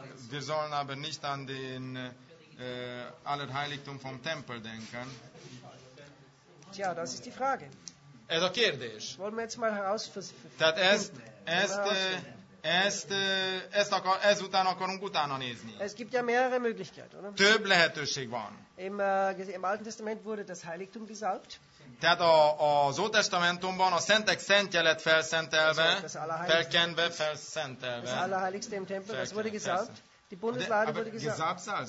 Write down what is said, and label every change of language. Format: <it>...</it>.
<de>Wir sollen aber nicht an den Allerheiligtum vom Tempel denken. Tja, das ist die Frage.</de> <hu>Er doch kérdés.</hu> <de>Wollen wir jetzt mal herausfinden.</de> <hu>Tehát ezután akarunk utána nézni.</hu> <de>Es gibt ja mehrere Möglichkeiten, oder?</de> <hu>Több lehetőség van.</hu> <de>Im Alten Testament wurde das Heiligtum gesalbt.</de> <hu>Tehát az Ó Testamentumban a szentek szentje lett felszentelve, felkenve, felszentelve.</hu> <de>Das Allerheiligste im Tempel, das wurde gesalbt. Die Bundeslade wurde gesalbt.</de>